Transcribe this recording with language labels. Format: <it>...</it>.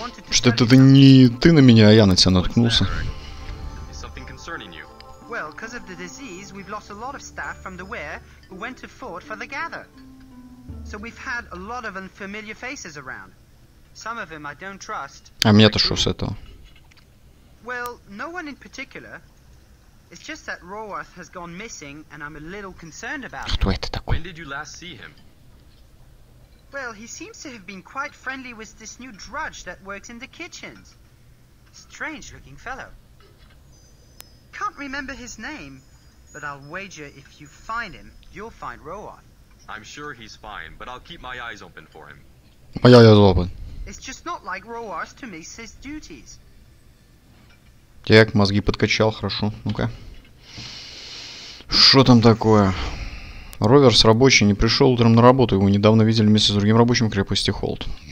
<ru>Что это не ты на меня, а я на тебя наткнулся.</ru> <en>Is something concerning you? Well, because of the disease, we've lost a lot of staff from the Weir who went to Fort for the Gather. So we've had a lot of unfamiliar faces around. Some of them I don't trust.</en> <ru>А меня-то что с этого?</ru> <en>Well, no one in particular. It's just that Roarth has gone missing and I'm a little concerned about him.</en> <ru>Что это такое?</ru> <en>When did you last see him? Well, he seems to have been quite friendly with this new drudge that works in the kitchens. Strange looking fellow. Can't remember his name, but I'll wager if you find him, you'll find Roarth. I'm sure he's fine, but I'll keep my eyes open for him. My eyes open. It's just not like Roarth to miss his duties.</en> <ru>Так, мозги подкачал, хорошо. Ну-ка. Что там такое? Роверс рабочий, не пришел утром на работу. Его недавно видели вместе с другим рабочим крепости Холд.</ru>